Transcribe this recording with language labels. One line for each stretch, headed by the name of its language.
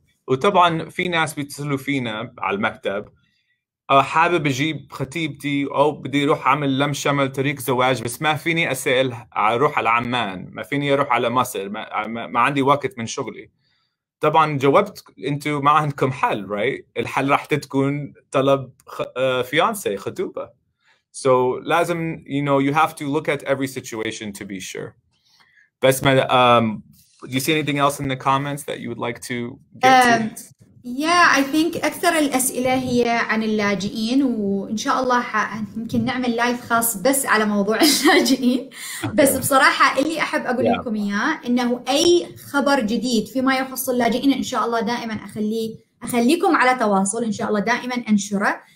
Arabic: وطبعا في ناس بيتصلوا فينا على المكتب حابب اجيب خطيبتي او بدي اروح اعمل لم شمل طريق زواج، بس ما فيني اسال اروح على عمان، ما فيني اروح على مصر، ما عندي وقت من شغلي. طبعا جاوبت انتوا ما عندكم حل، رايت؟ الحل راح تكون طلب فيانسي خطوبه.
English: So
Arabic: لازم
English: you know you have to look at every situation to be sure.
Arabic: بس ما
English: do you see anything else in the comments that you would like to get to? Yeah, I think
Arabic: أكثر الأسئلة هي عن اللاجئين، وإن شاء الله ممكن نعمل لايف خاص بس على موضوع اللاجئين. بس بصراحة اللي أحب أقول لكم إياه إنه أي خبر جديد فيما يخص اللاجئين إن شاء الله دائما أخليكم على تواصل، إن شاء الله دائما أنشره.